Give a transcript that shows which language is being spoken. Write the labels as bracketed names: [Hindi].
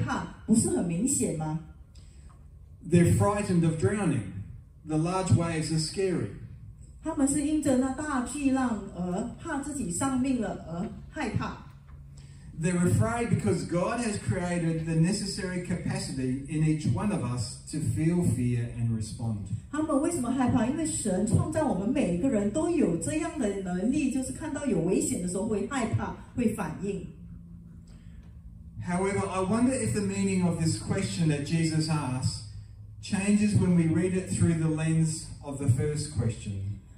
[Chinese] 这听起来很奇怪的一个问题，为什么他们害怕？不是很明显吗？ [English] They're frightened of drowning. The large waves are scary. [Chinese] 他们是因着那大巨浪而怕自己丧命了而害怕。 [English] They're afraid because God has created the necessary capacity in each one of us to feel fear and respond. [Chinese] 他们为什么害怕？因为神创造我们每一个人都有这样的能力，就是看到有危险的时候会害怕、会反应。However, [English] I wonder if the meaning of this question that Jesus asks changes when we read it through the lens of the first question.